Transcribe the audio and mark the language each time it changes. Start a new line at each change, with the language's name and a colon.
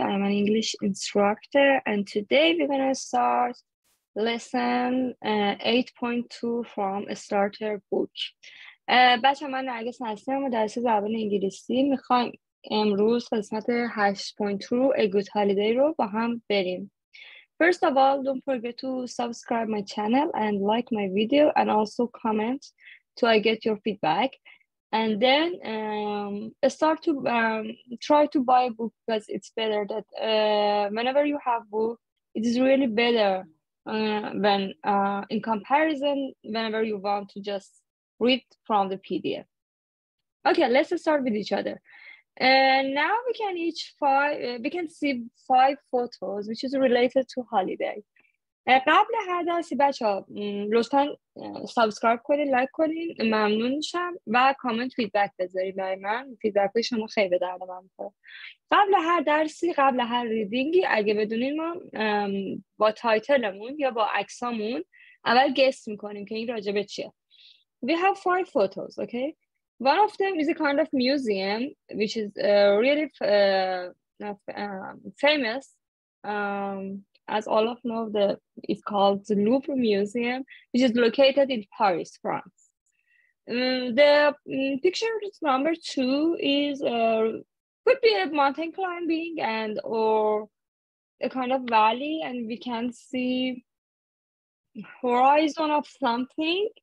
English: I'm an English instructor and today we're going to start lesson 8.2 from a starter book.
Persian: بچه من نرگس هستم و درس زبان انگلیسی میخوایم امروز قسمت 8.2 A Good Holiday رو با هم بریم.
English: First of all, don't forget to subscribe my channel and like my video and also comment to I get your feedback. And then start to try to buy a book because it's better that whenever you have book, it is really better when in comparison whenever you want to just read from the PDF. Okay, let's start with each other. And now we can each see five photos which is related to holiday.
Persian: قبل هر درسی بچه ها لطفاً سابسکرایب کنید، لایک کنید، ممنون شم و کامنت فیدبک بذارید برای من. فیدبک شما خیلی به درد من میخوره. قبل هر درسی، قبل هر ریدینگی اگه بدونید ما با تایتلمون یا با عکسامون اول گس میکنیم که این راجبه چیه.
English: We have five photos, okay? One of them is a kind of museum which is really famous. As all of know, it's called the Louvre Museum, which is located in Paris, France. The picture number two is could be a mountain climbing and or a kind of valley, and we can see horizon of something.